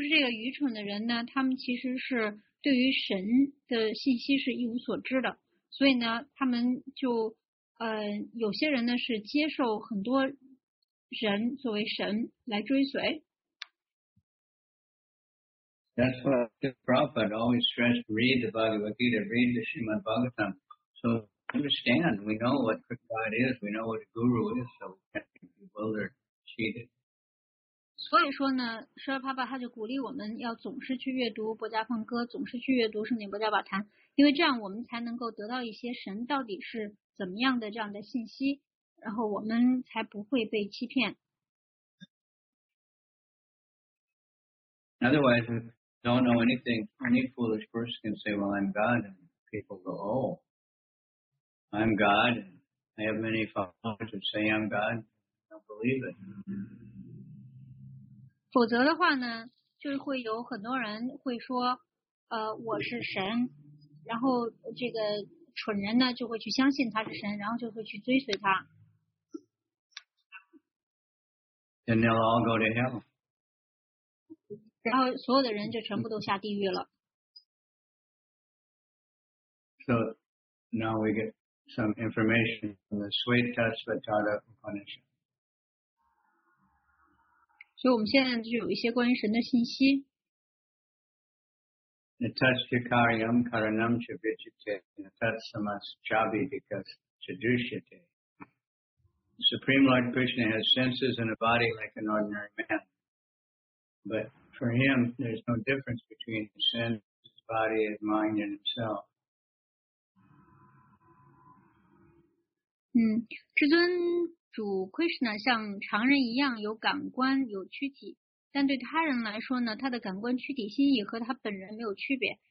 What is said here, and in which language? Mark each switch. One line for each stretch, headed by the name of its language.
Chinese: 但是呢，就是这个愚蠢的人呢，他们其实是。对于神的信息是一无所知的，所以呢，他们就有些人呢是接受很多人作为神来追随。That's
English: what Prabhupada always stressed: read the Bhagavad Gita, read the Srimad Bhagavatam, so understand. We know what God is. We know what a guru is, so we can't be bewildered, cheated.
Chinese: 所以说呢，舍尔帕巴他就鼓励我们要总是去阅读《博迦梵歌》，总是去阅读《圣经·博迦瓦坛》，因为这样我们才能够得到一些神到底是怎么样的这样的信息，然后我们才不会被欺骗。
English: Otherwise, if you don't know anything, any foolish person can say, "Well, I'm God," and people go, "Oh, I'm God." I have many followers who say I'm God. Don't believe it.
Chinese: 否则的话呢，就会有很多人会说，我是神，然后这个蠢人呢就会去相信他是神，然后就会去追随他。
English: And they'll all go to hell.
Chinese: 然后所有的人就全部都下地狱了。
English: So now we get some information from the Svetā Svatāda Upanishad.
Chinese: 所以我们现在就有一些关于神的信息。
Sanskrit: Natatsikaryam karanam chavichite natatsamasjabhidikas chadushite.
English: The Supreme Lord Krishna has senses and a body like an ordinary man. But for him, there's no difference between his senses, his body, his mind, and himself.
Chinese: 至尊主 Krishna 像常人一样有感官有躯体，但对他人来说呢，他的感官躯体心意和他本人没有区别。